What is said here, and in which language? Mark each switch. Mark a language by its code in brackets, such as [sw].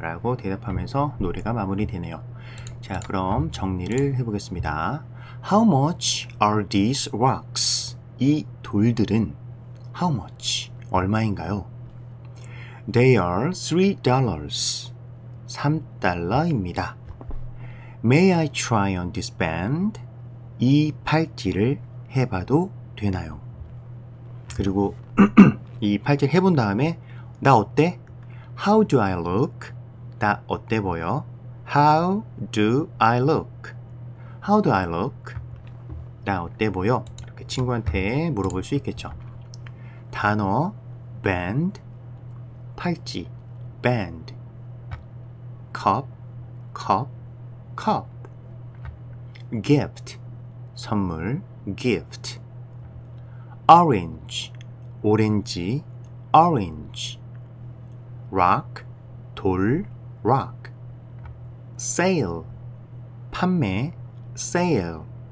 [ko] 라고 대답하면서 노래가 마무리되네요. 자, 그럼 정리를 해보겠습니다. [en] How much are these rocks? [ko] 이 돌들은 [en] How much? [ko] 얼마인가요? [en] They are $3. [ko] 3달러입니다. [en] May I try on this band? [ko] 이 팔찌를 해봐도 되나요? 그리고 이 팔찌를 해본 다음에 나 어때? [en] How do I look? [ko] 나 어때 보여? [en] How do I look? How do I look? 나 어때 보여? [ko] 이렇게 친구한테 물어볼 수 있겠죠. [en] 단어, band, 팔찌, band, cup, cup, cup, gift, 선물, gift, orange, 오렌지, orange, rock, 돌, rock, sale, 판매, sale,